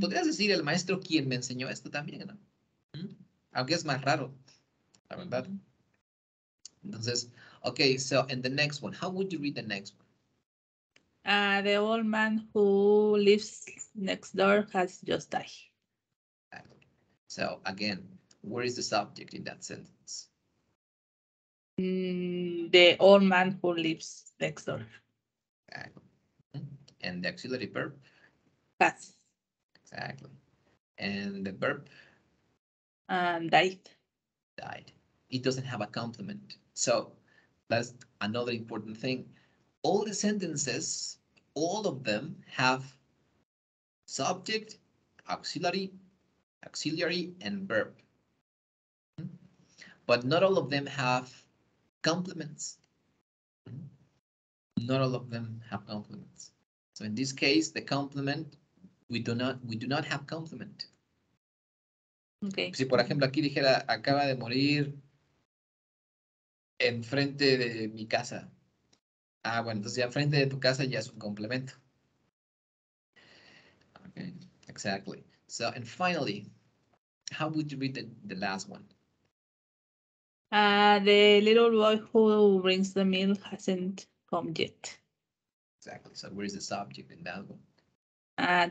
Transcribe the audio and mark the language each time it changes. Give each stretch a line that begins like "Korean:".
Spanish: podrías decir el maestro quién me enseñó esto también, ¿no? ¿Mm? Aunque es más raro, la verdad. Mm-hmm.
English: Entonces, okay, so in the next one, how would you read the next one? The old man who lives next door has just died. So again, where is the subject in that sentence? The old man who lives next door. Okay. And the auxiliary verb? Pass. Exactly. And the verb? Died. Died. It doesn't have a complement. So that's another important thing. All the sentences, all of them have subject, auxiliary, and verb. But not all of them have complements. Not all of them have complements. So in this case, the complement, we do not have complement. Okay.
Spanish: Si por ejemplo aquí dijera acaba de morir en frente de mi casa. Ah, bueno, entonces ya frente de tu casa ya es un complemento.
English: Okay, exactly. So, and finally, how would you read the last one? The little boy who brings the meal hasn't come yet. Exactly. So where is the subject in that one?